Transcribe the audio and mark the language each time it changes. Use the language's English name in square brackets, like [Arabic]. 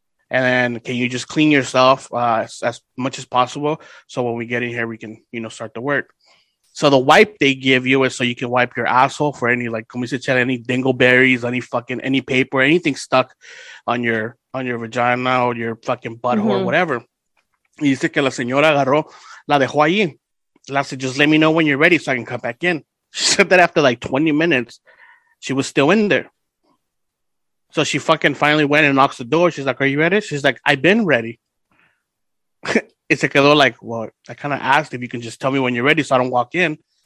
[English] And then can you just clean yourself as much as possible? So when we get in here, we can, you know, start the work. So the wipe they give you is so you can wipe your asshole for any like any dingleberries, any fucking any paper, anything stuck on your vagina or your fucking butthole or whatever. [Spanish] Y dice que la señora agarró, la dejó ahí. [English] La said, just let me know when you're ready so I can come back in. She said that after like 20 minutes, she was still in there. So she fucking finally went and knocks the door. She's like, are you ready? She's like, I've been ready. It's like, well, I kind of asked if you can just tell me when you're ready so I don't walk in.